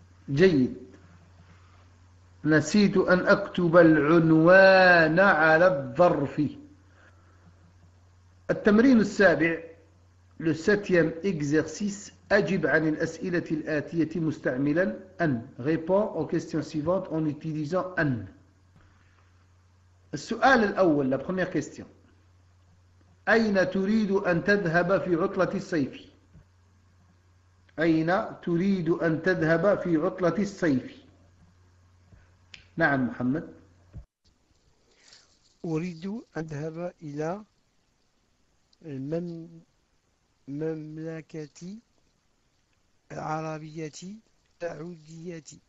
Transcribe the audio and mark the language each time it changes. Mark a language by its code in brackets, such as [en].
[ar] جيد، نسيت أن أكتب العنوان على الظرف. التمرين السابع. [fr] Le septième exercice, [ar] أجب عن الأسئلة الآتية مستعملا أن. [fr] Réponds aux questions suivantes en utilisant أن. [ar] السؤال الأول، [fr] la première question. [ar] أين تريد أن تذهب في عطلة الصيف؟ أين تريد أن تذهب في عطلة الصيف؟ نعم محمد. أريد أن أذهب إلى المملكة العربية السعودية.